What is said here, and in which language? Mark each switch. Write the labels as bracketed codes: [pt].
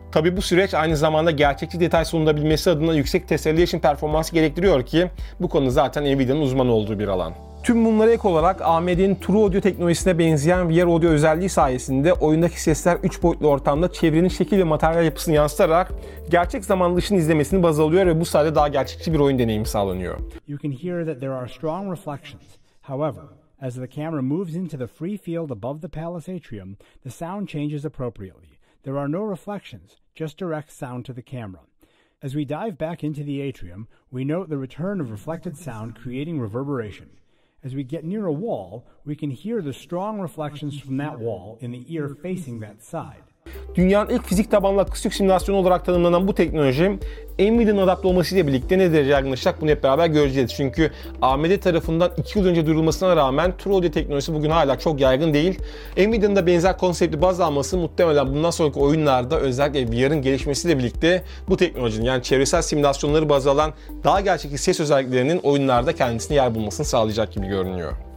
[tr] Tabii bu süreç aynı zamanda gerçekçi detay sunulabilmesi adına yüksek tessellation performansı gerektiriyor ki bu konu zaten Nvidia'nın uzmanı olduğu bir alan. Tüm bunlara ek olarak AMD'nin True Audio teknolojisine benzeyen VR Audio özelliği sayesinde oyundaki sesler 3 boyutlu ortamda çevrenin şekil ve materyal yapısını yansıtarak gerçek zamanlı ışın izlemesini baz alıyor ve bu sayede daha gerçekçi bir oyun deneyimi sağlanıyor. [en] You can hear that there are strong reflections. However, as the camera moves into the free field above the palace atrium, the sound changes appropriately. There are no reflections, just direct sound to the camera. As we dive back into the atrium, we note the return of reflected sound creating reverberation. As we get near a wall, we can hear the strong reflections from that wall in the ear facing that side. [tr] Dünyanın ilk fizik tabanlı akustik simülasyonu olarak tanımlanan bu teknoloji, Nvidia'nın adapte olmasıyla birlikte ne derece yaygınlaşacak bunu hep beraber göreceğiz. Çünkü AMD tarafından 2 yıl önce duyurulmasına rağmen True Audio teknolojisi bugün hala çok yaygın değil. Nvidia'nın da benzer konsepti baz alması muhtemelen bundan sonraki oyunlarda özellikle VR'ın gelişmesiyle birlikte bu teknolojinin yani çevresel simülasyonları baz alan daha gerçekçi ses özelliklerinin oyunlarda kendisine yer bulmasını sağlayacak gibi görünüyor.